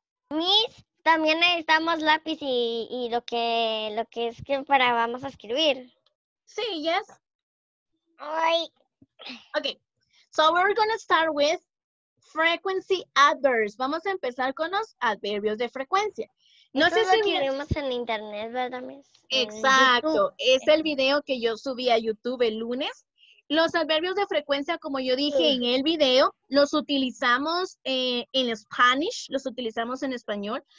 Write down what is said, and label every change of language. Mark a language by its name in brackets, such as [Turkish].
[Spanish] Miss, también necesitamos lápiz y lo que es que para vamos a escribir. Sí, yes. Ay. [English] Okay, so we're going to start with frequency adverbs. [Spanish] Vamos a empezar con los adverbios de frecuencia. No sé si vimos en internet, ¿verdad, Miss? Exacto. Es el video que yo subí a YouTube el lunes. Los adverbios de frecuencia, como yo dije en el video, los utilizamos en Spanish, los utilizamos en español.